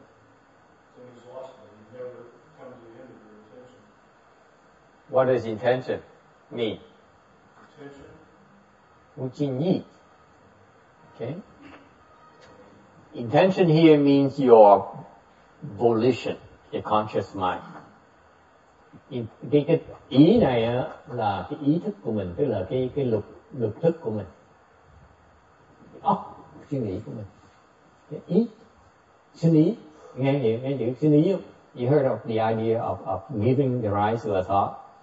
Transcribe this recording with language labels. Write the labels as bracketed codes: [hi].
[en] It's inexhaustible. You never come to the end of your intention. What is intention? mean? Intention. Uchi ni. Okay. Intention here means your volition, your conscious mind. [vi] Cái ý này là cái ý thức của mình, tức là cái lục thức của mình. Óc, suy nghĩ của mình. Cái ý, suy nghĩ, nghe chữ suy nghĩ không? [en] You heard of the idea of giving the rise to a thought?